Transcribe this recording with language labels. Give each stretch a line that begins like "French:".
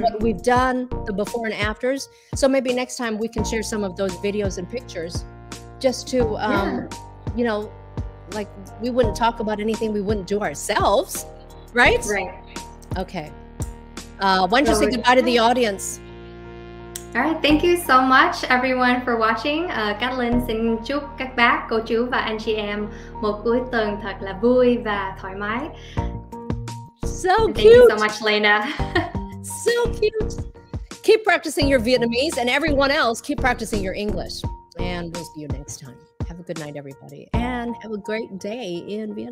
English: What we've done, the before and afters. So maybe next time we can share some of those videos and pictures just to, you know, like we wouldn't talk about anything we wouldn't do ourselves, right? Right. Okay. Why don't you say goodbye to the audience? All right. Thank you so much, everyone, for watching.
Vietnamese: Cathleen xin chúc các bác, cô chú và anh chị em một cuối tuần thật là vui và thoải mái.
English: So cute. Thank you so much, Lena. So cute. Keep practicing your Vietnamese, and everyone else, keep practicing your English. And we'll see you next time. Have a good night, everybody. And have a great day in Vietnam.